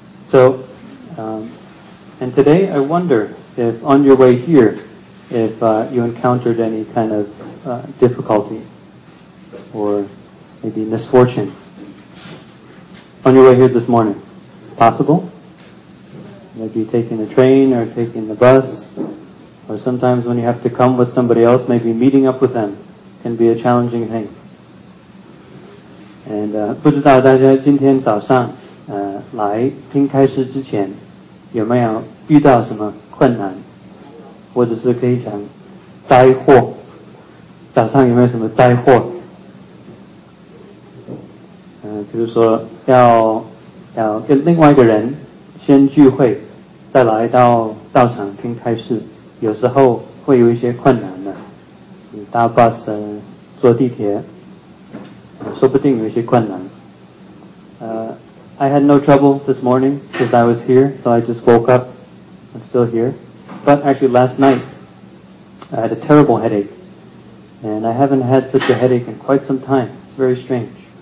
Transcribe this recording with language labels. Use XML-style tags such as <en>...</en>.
<en>So, and today I wonder if on your way here, if you encountered any kind of difficulty or maybe misfortune on your way here this morning. Is it possible? Maybe taking the train or taking the bus, or sometimes when you have to come with somebody else, maybe meeting up with them can be a challenging thing.</en> <zh>And 不知道大家今天早上来听开示之前有没有遇到什么困难，或者是可以讲灾祸，早上有没有什么灾祸？比如说要跟另外一个人先聚会，再来到道场听开示，有时候会有一些困难的，搭巴士、坐地铁。说不定有一些困难。</zh> <en>I had no trouble this morning because I was here, so I just woke up. I'm still here. But actually last night, I had a terrible headache. And I haven't had such a headache in quite some time. It's very strange.</en>